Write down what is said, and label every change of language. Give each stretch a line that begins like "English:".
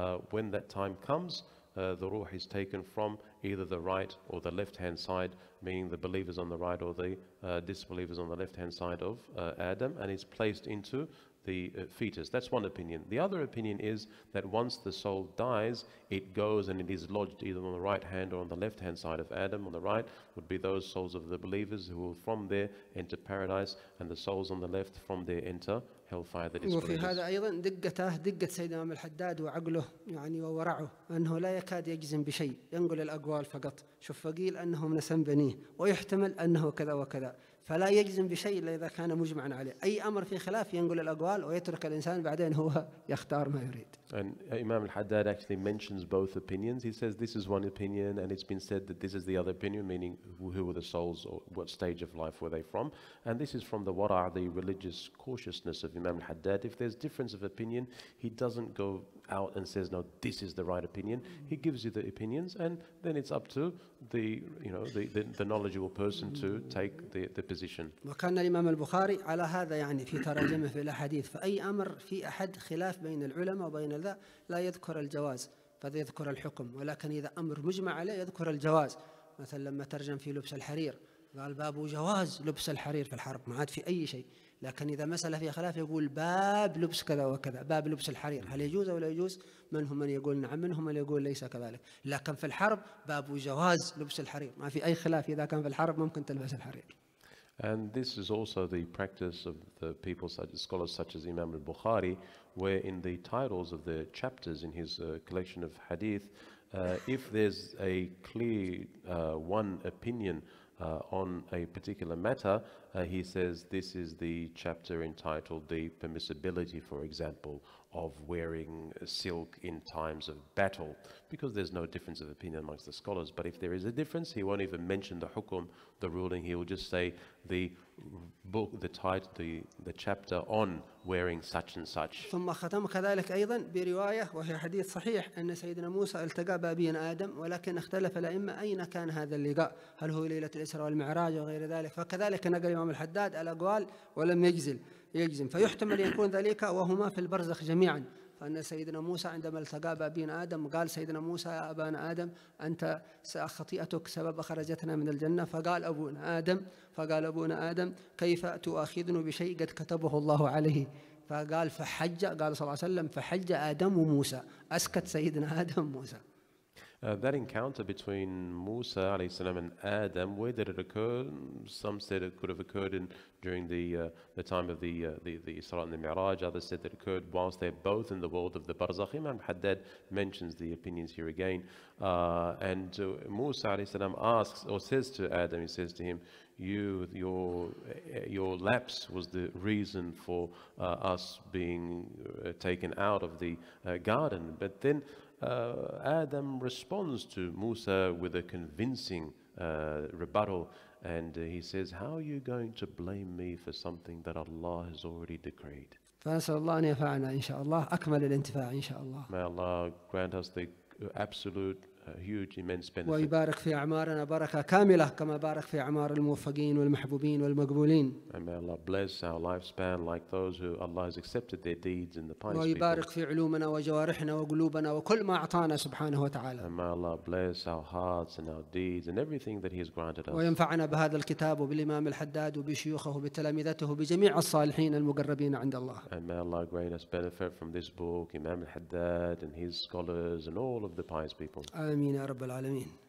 English: When that time comes, the ruh is taken from either the right or the left hand side, meaning the believers on the right or the disbelievers on the left hand side of Adam, and is placed into the fetus. That's one opinion. The other opinion is that once the soul dies, it goes and it is lodged either on the right hand or on the left hand side of Adam. On the right would be those souls of the believers who will from there enter paradise, and the souls on the left from there enter hellfire, the disbelievers.
Arabic: وفي هذا أيضا دقة سيدنا إمام الحداد وعقله يعني وورعه أنه لا يكاد يجزم بشيء ينقل الأقوال فقط شوف فقيل أنه من سن بنيه ويحتمل أنه كذا وكذا فلا يجزم بشيء إلا إذا كان مجمعا عليه أي أمر في خلاف ينقل الأقوال ويترك الإنسان بعدين هو يختار ما يريد.
English: And Imam al-Haddad actually mentions both opinions. He says this is one opinion and it's been said that this is the other opinion, meaning who were the souls or what stage of life were they from. And this is from the wara, the religious cautiousness of Imam al-Haddad. If there's difference of opinion, he doesn't go out and says, no, this is the right opinion. He gives you the opinions and then it's up to the, you know, the knowledgeable person to take the position.
Arabic: وكان الإمام البخاري على هذا يعني في تراجمه في الأحاديث فأي أمر في أحد خلاف بين العلماء وبين لذا لا يذكر الجواز فذا يذكر الحكم ولكن إذا أمر مجمع عليه يذكر الجواز مثلا لما ترجم في لبس الحرير قال باب جواز لبس الحرير في الحرب ما عاد في أي شيء لكن إذا مسألة في خلاف يقول باب لبس كذا وكذا باب لبس الحرير هل يجوز أو لا يجوز من هم من يقول نعم من هم من يقول ليس كذلك لكن في الحرب باب جواز لبس الحرير ما في أي خلاف إذا كان في الحرب ممكن تلبس الحرير.
English: And this is also the practice of the people, such as scholars such as Imam al-Bukhari, where in the titles of the chapters in his collection of hadith, if there's a clear one opinion on a particular matter, he says this is the chapter entitled The Permissibility, for example, of wearing silk in times of battle, because there's no difference of opinion amongst the scholars. But if there is a difference, he won't even mention the hukum, the ruling. He will just say the book, the title, the chapter on wearing such and such.
Arabic: ثم ختم كذلك أيضا برواية وهي حديث صحيح أن سيدنا موسى التقى بأبينا آدم ولكن اختلف الأئمة أين كان هذا اللقاء هل هو ليلة الإسراء والمعراج وغير ذلك فكذلك نقل الإمام الحداد الأقوال ولم يجزل يجزم فيحتمل يكون ذلك وهما في البرزخ جميعا فأن سيدنا موسى عندما التقى بأبينا آدم قال سيدنا موسى يا أبانا آدم أنت خطيئتك سبب خرجتنا من الجنة فقال أبونا آدم كيف تؤاخذن بشيء قد كتبه الله عليه فقال فحج قال صلى الله عليه وسلم فحج آدم وموسى أسكت سيدنا آدم موسى.
English: That encounter between Musa alayhi salam and Adam, where did it occur? Some said it could have occurred during the time of the Isra and the Mi'raj. Others said that it occurred whilst they're both in the world of the Barzakh. Imam Haddad mentions the opinions here again. Musa alayhi salam asks or says to Adam, he says to him, your lapse was the reason for us being taken out of the garden. But then Adam responds to Musa with a convincing rebuttal, and he says, "How are you going to blame me for something that Allah has already decreed?"
Arabic: فنسأل الله أن ينفعنا إن شاء الله أكمل الانتفاع إن شاء الله.
English: May Allah grant us the absolute, huge, immense benefit.
Arabic: ويبارك في أعمارنا بركة كاملة كما بارك في أعمار الموفقين والمحبوبين والمقبولين.
English: And may Allah bless our lifespan like those who Allah has accepted their deeds in the pious.
Arabic: ويبارك في علومنا وجوارحنا وقلوبنا وكل ما أعطانا سبحانه وتعالى.
English: And may Allah bless our hearts and our deeds and everything that He has granted us.
Arabic: وينفعنا بهذا الكتاب وبالإمام الحداد وبشيوخه وبتلامذته وبجميع الصالحين المقربين عند الله.
English: And may Allah grant us benefit from this book, Imam al-Haddad and his scholars and all of the pious people.
Arabic: آمين يا رب العالمين.